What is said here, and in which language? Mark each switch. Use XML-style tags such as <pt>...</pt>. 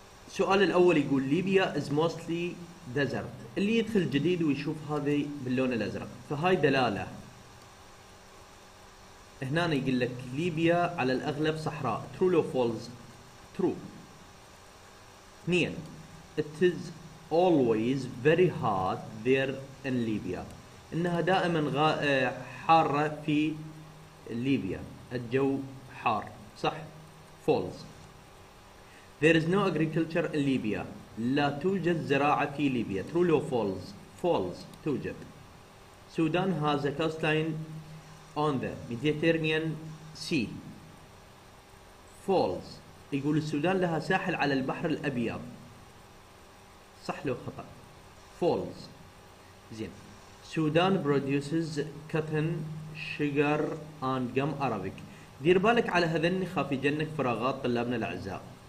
<ar>سؤال الأول يقول ليبيا</ar> <en>is mostly desert.</en> <ar>اللي يدخل جديد ويشوف هذه باللون الأزرق، فهاي دلالة. هنا يقول لك ليبيا على الأغلب صحراء.</ar> <en>True or false؟ True. 2. It is always very hot there in Libya.</en> <ar>إنها دائما حارة في ليبيا. الجو حار. صح.</ar> <en>False. There is no agriculture in Libya.</en> <ar>لا توجد زراعة في ليبيا.</ar> <en>True or false؟ False.</en> <ar>توجد.</ar> <en>Sudan has a coastline on the Mediterranean Sea. False.</en> <ar>يقول السودان لها ساحل على البحر الأبيض. صح لو خطأ.</ar> <en>False. زين. Sudan produces cotton, sugar and gum arabic.</en> <ar>دير بالك على هذن خافي جنك فراغات طلابنا الأعزاء.</ar>